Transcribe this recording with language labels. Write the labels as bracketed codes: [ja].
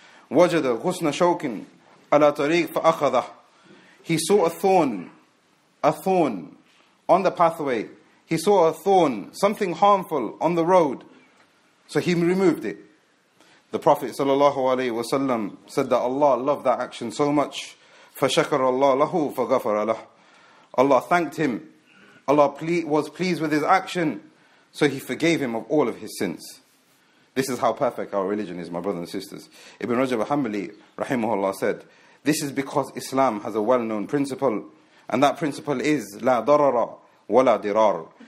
[ar] وَجَدَ غُسْنَ شَوْكٍ عَلَىٰ طَرِيقٍ فَأَخَذَهُ, [en] he saw a thorn on the pathway. He saw a thorn, something harmful on the road. So he removed it. The Prophet ﷺ said that Allah loved that action so much. [ar] فَشَكَرَ اللَّهُ لَهُ فَغَفَرَ لَهُ, [en] Allah thanked him. Allah was pleased with his action, so he forgave him of all of his sins. This is how perfect our religion is, my brothers and sisters. Ibn Rajab al-Hanbali, rahimahullah, said, this is because Islam has a well-known principle, and that principle is, la darara wa la dirar.